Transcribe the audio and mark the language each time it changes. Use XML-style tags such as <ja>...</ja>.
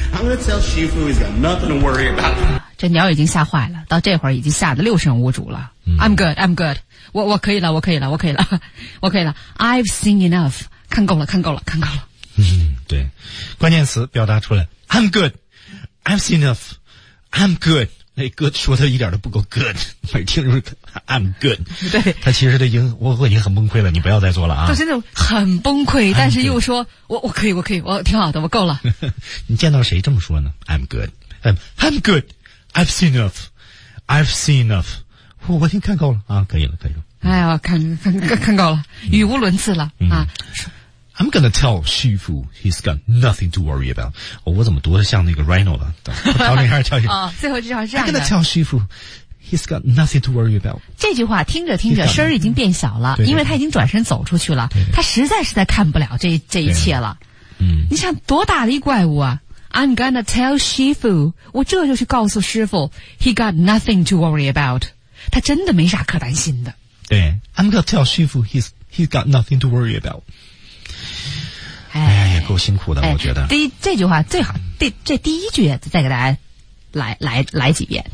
<en>I'm gonna tell Shifu he's got nothing to worry about.</en> <zh>这鸟已经吓坏了，到这会儿已经吓得六神无主了。嗯、</zh> <en>I'm good, I'm good.</en> <zh>我可以了，我可以了，我可以了，我可以了。</zh> <en>I've seen enough.</en> <zh>看够了，看够了，看够了。嗯，对，关键词表达出来。</zh> <en>I'm good, I've seen enough. I'm good.</en> <zh>哎，哥说的一点都不够 good， 每听就是</zh> <en>I'm good。</en> <zh>对，他其实我已经很崩溃了，你不要再做了啊！就是那种很崩溃，但是又说我可以，我可以，我挺好的，我够了。你见到谁这么说呢 ？</zh> <en>I'm good， I'm good， I've seen enough，</en> <zh>I've seen enough， 我已经看够了啊，可以了，可以了。哎呀，看够了，语无伦次了、嗯、啊。</zh> <en>I'm gonna tell Shifu he's got nothing to worry about.、Oh,</en> <zh>我怎么读的像那个 Rhino 了？我调整一下，调整。啊，最后这句话是这样的。</zh> <en>I'm gonna tell Shifu he's got nothing to worry about.</en> <zh>这句话听着听着声儿已经变小了，因为他已经转身走出去了。对对，他实在是在看不了这一切了。嗯，你想多大的一怪物啊 ？</zh> <en>I'm gonna tell Shifu，</en> <zh>我这就去告诉师傅 ，</zh> <en>he got nothing to worry about。</en> <zh>他真的没啥可担心的。对</zh> <en>，I'm gonna tell Shifu he's got nothing to worry about。</en> <zh>哎，也够辛苦的，哎、我觉得。这句话最好，这第一句再给大家来几遍。</zh>